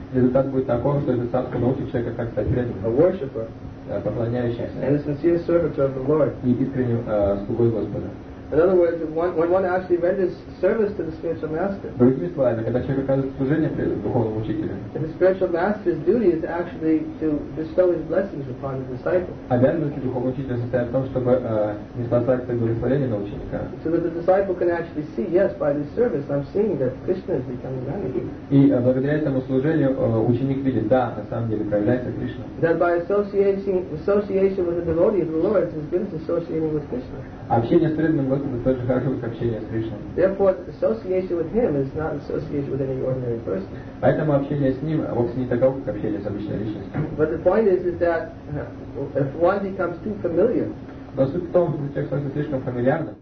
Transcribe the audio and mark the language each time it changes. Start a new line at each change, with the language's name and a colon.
Russian: Результат будет таков, что этот садху научит человека, как стать преданным.
English: A worshipper.
Russian: Поклоняющийся.
English: And a sincere servitor of the Lord.
Russian: И искренним слугой Господа.
English: In other words, when one actually renders service to the spiritual master.
Russian: Другими словами, когда человек оказывает служение духовному учителю.
English: The spiritual master's duty is actually to bestow his blessings upon the disciple.
Russian: Обязанность духовного учителя состоит в том, чтобы не спасать свое благословение на ученика.
English: So that the disciple can actually see, yes, by this service, I'm seeing that Krishna is becoming manifest.
Russian: И благодаря этому служению ученик видит, да, на самом деле проявляется Кришна.
English: That by association with the devotee of the Lord is good as associating with Krishna.
Russian: Общение с преданным Господом тоже хорошо, как общение с Кришной.
English: Therefore, association with him is not association with any ordinary person.
Russian: Поэтому общение с ним вовсе не таково, как общение с обычной личностью.
English: But the point is that if one becomes too familiar.
Russian: Но суть в том, что человек становится слишком фамильярным.